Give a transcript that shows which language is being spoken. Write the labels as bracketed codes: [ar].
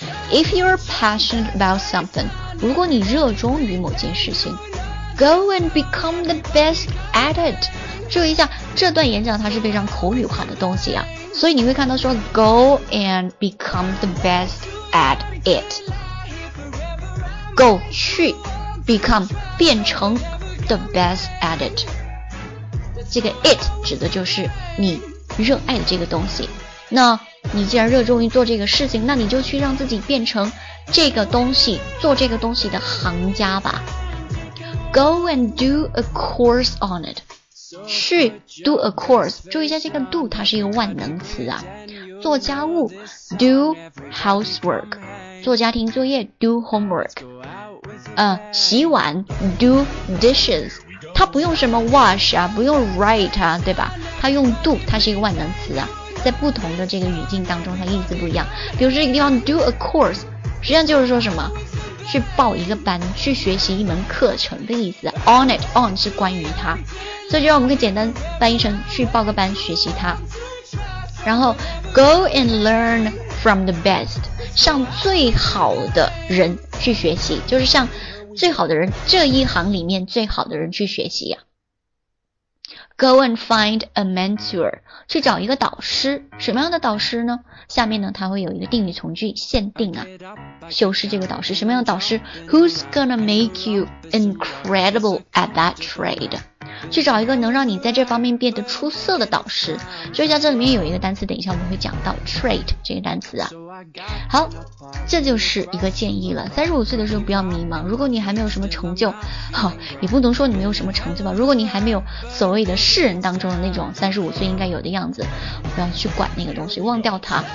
[en] If you're passionate about something, [zh] 如果你热衷于某件事情， [en] Go and become the best at it。 [zh] 注意一下，这段演讲它是非常口语化的东西啊，所以你会看到说 [en] Go and become the best at it。 Go [zh] 去 [en] become [zh] 变成 [en] the best at it。 [zh] 这个 it 指的就是你热爱的这个东西，那你既然热衷于做这个事情，那你就去让自己变成这个东西，做这个东西的行家吧。 [en] Go and do a course on it, [zh] 去 [en] do a course, [zh] 注意一下这个 do 它是一个万能词啊，做家务 [en] do housework, [zh] 做家庭作业 [en] do homework, [zh] 洗碗 [en] do dishes, [zh] 它不用什么 wash 啊，不用 write 啊，对吧？它用 do, 它是一个万能词啊，在不同的这个语境当中它意思不一样。比如说这个地方 [en] do a course, [zh] 实际上就是说什么，去报一个班，去学习一门课程的意思。 [en] on it, [zh] on 是关于它，所以就让我们可以简单翻译成去报个班学习它。然后 [en] go and learn from the best, [zh] 向最好的人去学习，就是像最好的人，这一行里面最好的人去学习呀。 [en] Go and find a mentor, [zh] 去找一个导师。什么样的导师呢？下面呢，它会有一个定语从句限定啊，修饰这个导师。什么样的导师？ [en] Who's gonna make you incredible at that trade? [zh] 去找一个能让你在这方面变得出色的导师。注意一下，这里面有一个单词，等一下我们会讲到 trade 这个单词啊。好，这就是一个建议了。35岁的时候不要迷茫，如果你还没有什么成就，也不能说你没有什么成就吧，如果你还没有所谓的世人当中的那种35岁应该有的样子，不要去管那个东西，忘掉它。